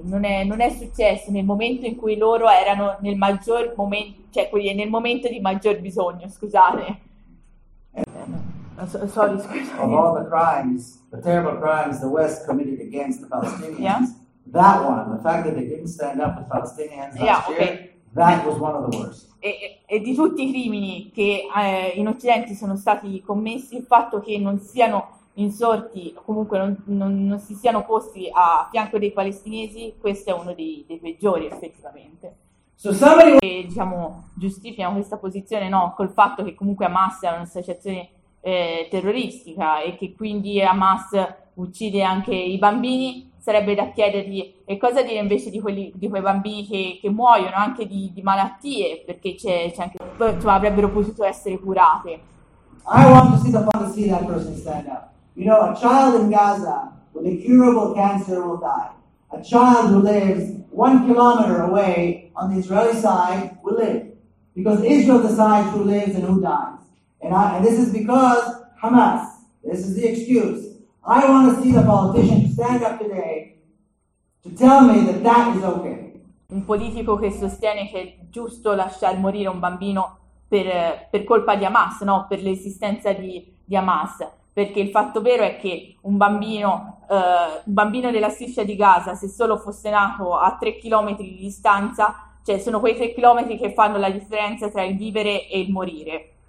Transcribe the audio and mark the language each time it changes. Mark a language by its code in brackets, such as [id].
[it] Non è successo nel momento in cui loro erano nel maggior momento, cioè nel momento di maggior bisogno, scusate. [en] Sorry, [it] scusate. [en] Of all the crimes, the terrible crimes the West committed against the Palestinians, yeah? That one, the fact that they didn't stand up with Palestinians last year, okay. That was one of the worst. [it] E di tutti i crimini che in Occidente sono stati commessi, il fatto che non siano insorti, comunque non si siano posti a fianco dei palestinesi, questo è uno dei peggiori effettivamente. [en] So somebody... [it] E diciamo, giustificano questa posizione, no, col fatto che comunque Hamas è un'associazione terroristica e che quindi Hamas uccide anche i bambini, sarebbe da chiedergli e cosa dire invece di quelli di quei bambini che muoiono anche di malattie, perché c'è anche, insomma, avrebbero potuto essere curate. [en] I want to see the Palestinian that person stand up. You know, a child in Gaza with a curable cancer will die. A child who lives 1 kilometer away on the Israeli side will live. Because Israel decides who lives and who dies. And this is because Hamas. This is the excuse. I want to see the politician stand up today to tell me that that is okay. [it] Un politico che sostiene che è giusto lasciar morire un bambino per colpa di Hamas, no? Per l'esistenza di Hamas, perché il fatto vero è che un bambino della striscia di Gaza, se solo fosse nato a 3 chilometri di distanza, cioè sono quei 3 chilometri che fanno la differenza tra il vivere e il morire.